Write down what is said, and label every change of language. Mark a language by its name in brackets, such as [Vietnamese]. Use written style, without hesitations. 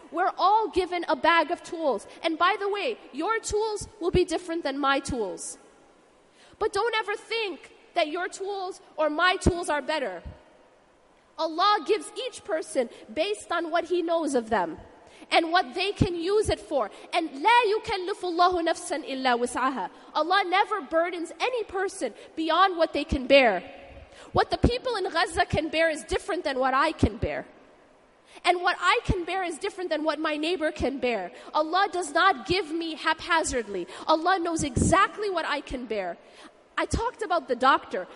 [English] We're all given a bag of tools. And by the way, your tools will be different than my tools. But don't ever think that your tools or my tools are better. Allah gives each person based on what He knows of them and what they can use it for. [Arabic] And لا يكلف الله نفسا إلا وسعها. [English] Allah never burdens any person beyond what they can bear. What the people in Gaza can bear is different than what I can bear. And what I can bear is different than what my neighbor can bear. Allah does not give me haphazardly. Allah knows exactly what I can bear. I talked about the doctor.